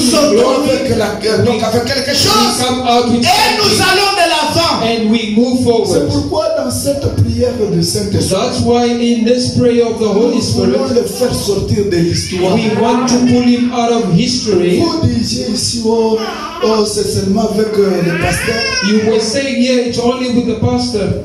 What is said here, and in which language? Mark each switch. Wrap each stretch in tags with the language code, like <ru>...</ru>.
<fr>sortons avec la guerre, donc avec quelque chose, et nous allons de l'avant.</fr> <en>And we move forward.</en> <fr>C'est pourquoi dans cette prière de Saint-Esprit,</fr> <en>that's why in this prayer of the Holy Spirit,</en> <fr>nous voulons le faire sortir de l'histoire.</fr> <en>We want to pull him out of history.</en> <fr>Vous disiez ici, oh, c'est seulement avec le pasteur.</fr> <en>You were saying, yeah, it's only with the pastor.</en>